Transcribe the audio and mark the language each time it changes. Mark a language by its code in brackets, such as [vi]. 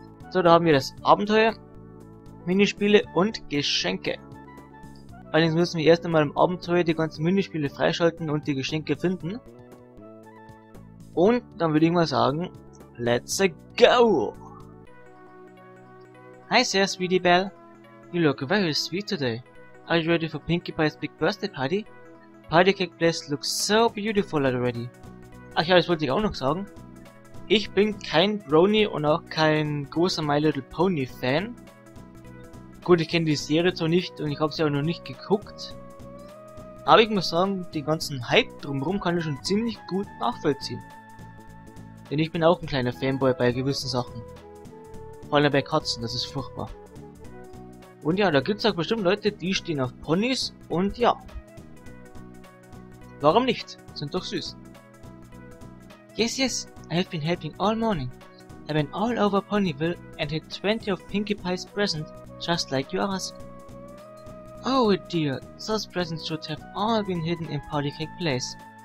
[de] So, da haben wir das Abenteuer, Minispiele und Geschenke. Allerdings müssen wir erst einmal im Abenteuer die ganzen Minispiele freischalten und die Geschenke finden. Und dann würde ich mal sagen, [en] let's go! Hi sehr, Sweetie Belle. You look very sweet today. Are you ready for Pinkie Pie's big birthday party? Party cake place looks so beautiful already. [de] Ach ja, das wollte ich auch noch sagen. Ich bin kein Brony und auch kein großer My Little Pony Fan. Gut, ich kenne die Serie zwar nicht und ich habe sie auch noch nicht geguckt. Aber ich muss sagen, den ganzen Hype drumherum kann ich schon ziemlich gut nachvollziehen. Denn ich bin auch ein kleiner Fanboy bei gewissen Sachen. Vor allem bei Katzen, das ist furchtbar. Und ja, da gibt es auch bestimmt Leute, die stehen auf Ponys und ja. Warum nicht? Sind doch süß. [en] Yes, yes, I have been helping all morning. I went all over Ponyville and had 20 of Pinkie Pie's present. Just like you asked. Oh dear, those presents should have all been hidden in Party Cake Place.